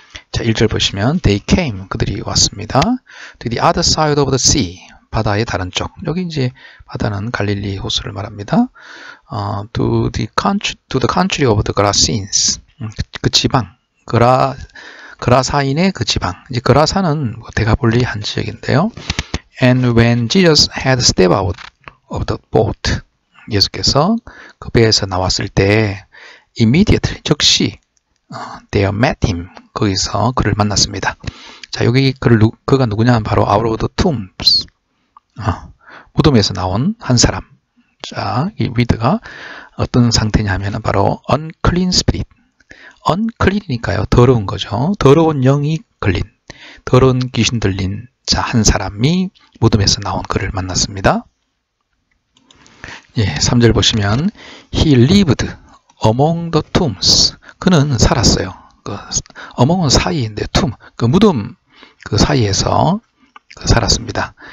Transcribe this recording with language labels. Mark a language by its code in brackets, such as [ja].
[ko] 자, 1절 보시면 [en] They came, [ko] 그들이 왔습니다. [en] To the other side of the sea. [ko] 바다의 다른 쪽. 여기 이제 바다는 갈릴리 호수를 말합니다. [en] To the country of the Gerasenes. [ko] 그 지방. 그라사인의 그 지방. 이제 그라사는 뭐 데가볼리 한 지역인데요. [en] And when Jesus had stepped out of the boat. [ko] 예수께서 그 배에서 나왔을 때, [en] immediately, [ko] 즉시, [en] there met him. [ko] 거기서 그를 만났습니다. 자, 여기 그가 누구냐 하면 바로 [en] out of the tombs. [ko] 무덤에서 나온 한 사람. 자, 이 위드가 어떤 상태냐 하면은 바로 [en] unclean spirit. [ko] unclean이니까요. 더러운 거죠. 더러운 영이 걸린. 더러운 귀신 들린 자, 한 사람이 무덤에서 나온 그를 만났습니다. 예, 3절 보시면, [en] He lived among the tombs. [ko] 그는 살았어요. among은 사이인데, tomb. 그 무덤 그 사이에서 살았습니다.